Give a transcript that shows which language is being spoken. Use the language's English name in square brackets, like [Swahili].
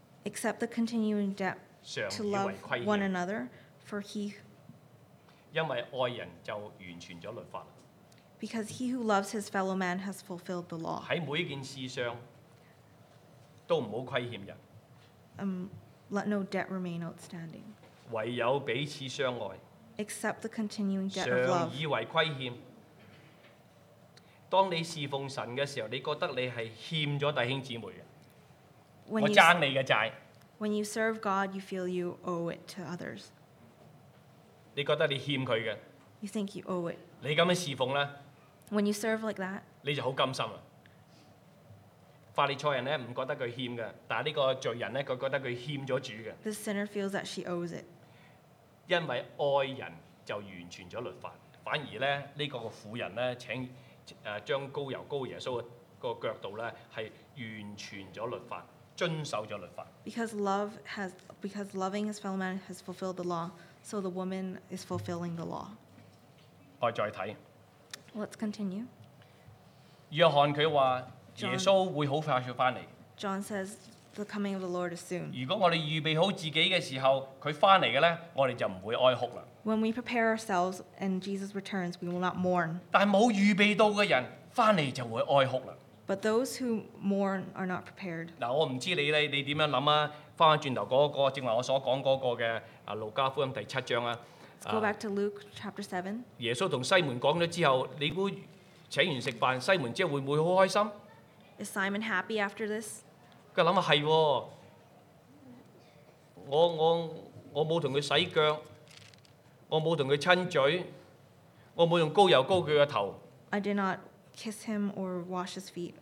[English] except the continuing debt to love one another, for he, [Cantonese] 因為愛人就完全了律法, [English] because he who loves his fellow man has fulfilled the law. [Cantonese] 在每件事上都不要虧欠人, [English] let no debt remain outstanding, [Cantonese] 唯有彼此相愛, [English] except the continuing debt of love. [Cantonese] 常以為虧欠當你侍奉神嘅時候，你覺得你係欠咗弟兄姊妹嘅，我爭你嘅債。 [English] When you serve God, you feel you owe it to others. [Cantonese] 你覺得你欠佢嘅。 [English] You think you owe it. [Cantonese] 你咁樣侍奉咧。 [English] When you serve like that. [Cantonese] 你就好甘心啊！法利賽人咧唔覺得佢欠嘅，但係呢個罪人咧，佢覺得佢欠咗主嘅。 [English] The sinner feels that she owes it. [Cantonese] 因為愛人就完全了律法，反而咧呢、這個婦人咧請將膏油膏耶穌個腳度咧係完全了律法，遵守了律法。 [English] Because loving his fellow man has fulfilled the law, so the woman is fulfilling the law. [Cantonese] 我再睇。 [English] Let's continue. [Cantonese] 約翰佢話耶穌會好快就翻嚟。 [English] John says. The coming of the Lord is soon. [Cantonese] 如果我哋預備好自己嘅時候，佢翻嚟嘅咧，我哋就唔會哀哭啦。 [English] When we prepare ourselves and Jesus returns, we will not mourn. [Cantonese] 但係冇預備到嘅人翻嚟就會哀哭啦。 [English] But those who mourn are not prepared. [Cantonese] 嗱，我唔知你點樣諗啊？翻翻轉頭嗰個正話我所講嗰個嘅啊，路加福音第七章啊。 [English] Go back to Luke chapter 7. [Cantonese] 耶穌同西門講咗之後，你估請完食飯，西門之後會唔會好開心 [English] ？Is Simon happy after this? [Cantonese] 佢諗啊，係我冇同佢洗腳，我冇同佢親嘴，我冇用膏油膏佢個頭。 [English] I did not kiss him or wash his feet.